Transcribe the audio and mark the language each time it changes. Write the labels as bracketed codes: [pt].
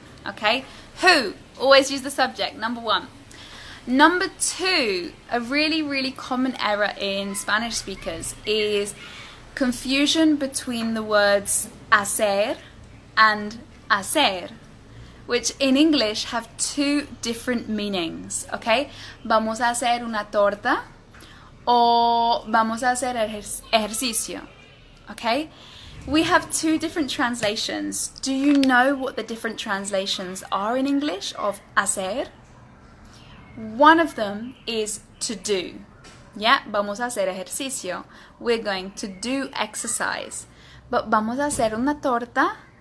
[en] Okay, who? Always use the subject, number one. Number two, a really, really common error in Spanish speakers is confusion between the words hacer and hacer, which in English have two different meanings, okay? [es] Vamos a hacer una torta o vamos a hacer ejercicio, okay? [en] We have two different translations. Do you know what the different translations are in English of hacer? One of them is to do. Yeah, [es] vamos a hacer ejercicio. [en] We're going to do exercise. But [es] vamos a hacer una torta.